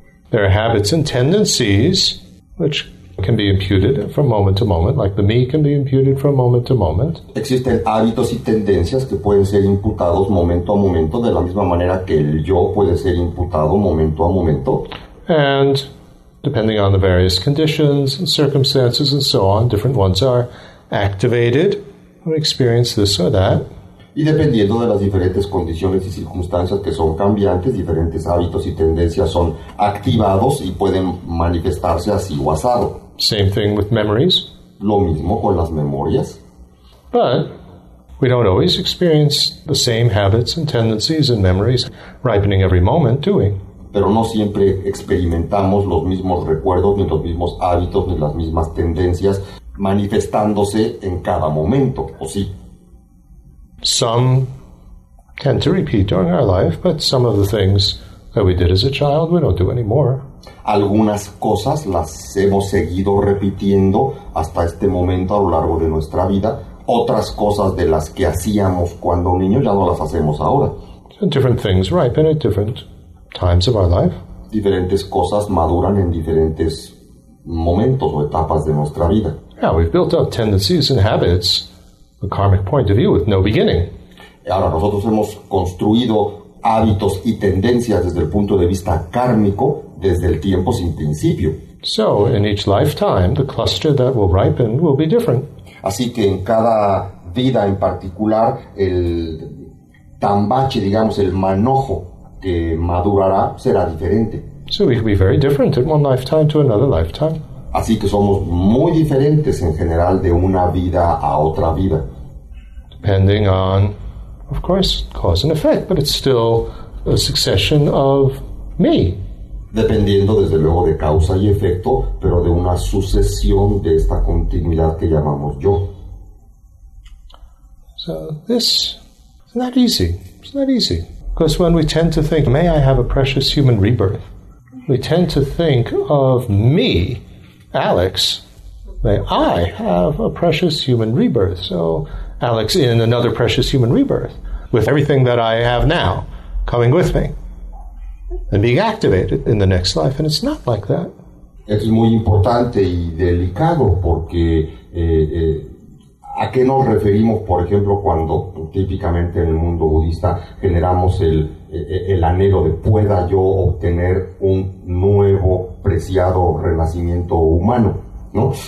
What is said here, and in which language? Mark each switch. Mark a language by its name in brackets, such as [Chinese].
[English] There are habits and tendencies which can be imputed from moment to moment, like the me can be imputed from moment to moment. [Spanish] Existen hábitos y tendencias que pueden ser imputados momento a momento, de la misma manera que el yo puede ser imputado momento a momento. [English] And depending on the various conditions and circumstances and so on, different ones are activated. We experience this or that. [Spanish] Y dependiendo de las diferentes condiciones y circunstancias que son cambiantes, diferentes hábitos y tendencias son activados y pueden manifestarse así o asado. [English] Same thing with memories. [Spanish] Lo mismo con las memorias. [English] But we don't always experience the same habits and tendencies and memories ripening every moment, do we? [Spanish] Pero no siempre experimentamos los mismos recuerdos, ni los mismos hábitos, ni las mismas tendencias manifestándose en cada momento, ¿o sí? [English] Some tend to repeat during our life, but some of the things that we did as a child, we don't do anymore. [Spanish] Algunas cosas las hemos seguido repitiendo hasta este momento a lo largo de nuestra vida. Otras cosas de las que hacíamos cuando niños ya no las hacemos ahora. [English] So different things ripen at different times of our life. [Spanish] Diferentes cosas maduran en diferentes momentos o etapas de nuestra vida. [English] Yeah, we've built up tendencies and habits, a karmic point of view with no beginning. [Spanish] Ahora nosotros hemos construido hábitos y tendencias desde el punto de vista kármico desde el tiempo sin principio. [English] So in each lifetime, the cluster that will ripen will be different. [Spanish] Así que en cada vida en particular, el tambache, digamos, el manojo que madurará será diferente. [English] So we can be very different in one lifetime to another lifetime. [Spanish] Así que somos muy diferentes en general de una vida a otra vida. [English] Depending on, of course, cause and effect, but it's still a succession of me. [Spanish] Dependiendo, desde luego, de causa y efecto, pero de una sucesión de esta continuidad que llamamos yo. [English] So, this is not easy. It's not easy. Because when we tend to think, may I have a precious human rebirth, we tend to think of me, Alex, may I have a precious human rebirth. So, Alex in another precious human rebirth, with everything that I have now coming with me and being activated in the next life, and it's not like that. [Spanish] Es muy importante y delicado porque ¿a qué nos referimos, por ejemplo, cuando típicamente en el mundo budista generamos el anhelo de pueda yo obtener un nuevo preciado renacimiento humano, ¿no?